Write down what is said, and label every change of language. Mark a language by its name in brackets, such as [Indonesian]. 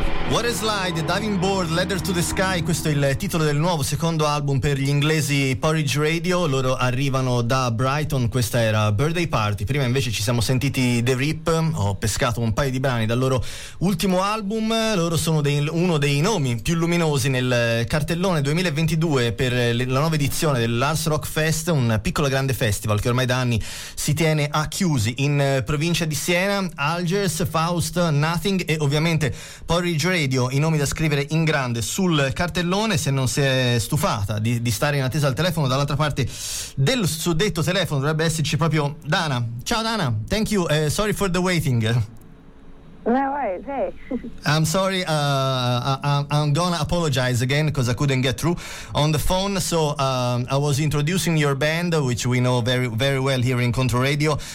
[English] What a slide, diving board, ladder to the sky. [Italian] Questo è il titolo del nuovo secondo album per gli inglesi Porridge Radio. Loro arrivano da Brighton. Questa era Birthday Party. Prima invece ci siamo sentiti The Rip. Ho pescato un paio di brani dal loro ultimo album. Loro sono uno dei nomi più luminosi nel cartellone 2022 per la nuova edizione del Lars Rock Fest, un piccolo grande festival che ormai da anni si tiene a Chiusi in provincia di Siena. Algiers, Faust, Nothing e ovviamente Porridge Radio, i nomi da scrivere in grande sul cartellone. Se non si è stufata di stare in attesa al telefono, dall'altra parte del suddetto telefono dovrebbe esserci proprio Dana. [English] Ciao Dana, thank you, sorry for the waiting. No, hey. I'm sorry, I'm gonna apologize again because I couldn't get through on the phone. So I was introducing your band, which we know very, very well here in Control Radio.